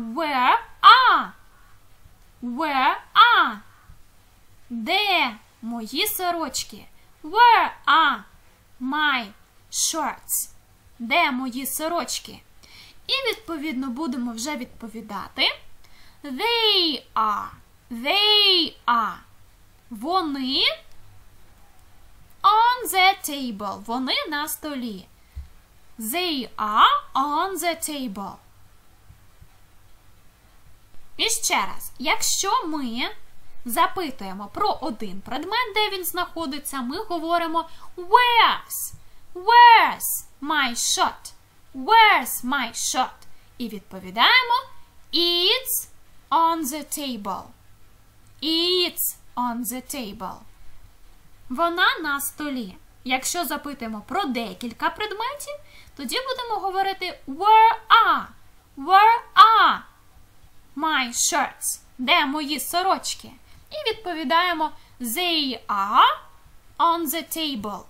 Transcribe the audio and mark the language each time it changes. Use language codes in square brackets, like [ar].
[en] Where are? Where are? [uk] Де мої сорочки? [en] Where are my shirts? [uk] Де мої сорочки? І відповідно будемо вже відповідати. [en] They are. They are. [uk] Вони [en] on the table. [uk] Вони на столі. [en] They are on the table. [uk] І ще раз. Якщо ми запитуємо про один предмет, де він знаходиться, ми говоримо where's? [en] Where's my shirt? Where's my shirt? [uk] І відповідаємо [en] it's on the table. It's on the table. [uk] Вона на столі. Якщо запитуємо про декілька предметів, тоді будемо говорити where are? [en] Where are my shirts? [uk] Де мої сорочки? І відповідаємо [en] they are on the table.